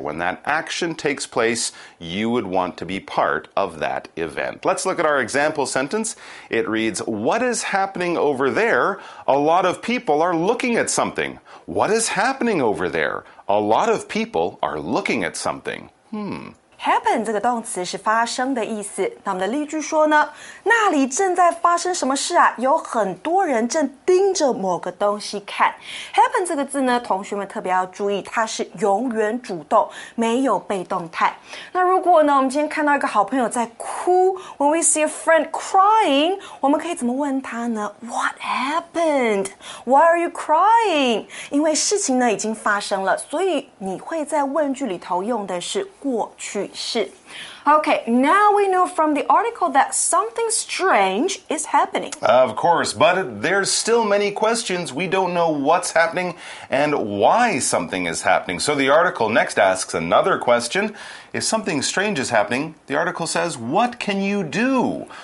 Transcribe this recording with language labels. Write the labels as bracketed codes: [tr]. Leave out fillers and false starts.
[en] When that action takes place, you would want to be part of that event. Let's look at our example sentence. It reads, what is happening over there? A lot of people are looking at something. What is happening over there? A lot of people are looking at something. [zh] Happen 这个动词是发生的意思。那我们的例句说呢？那里正在发生什么事啊？有很多人正盯着某个东西看。 Happen 这个字呢，同学们特别要注意，它是永远主动，没有被动态。那如果呢，我们今天看到一个好朋友在哭 ， [en] When we see a friend crying， [zh] 我们可以怎么问他呢 ？ [en] What happened？ Why are you crying？ [zh] 因为事情呢已经发生了，所以你会在问句里头用的是过去。 [en] Okay, now we know from the article that something strange is happening. Of course, but there's still many questions. We don't know what's happening and why something is happening. So the article next asks another question. If something strange is happening, the article says, what can you do?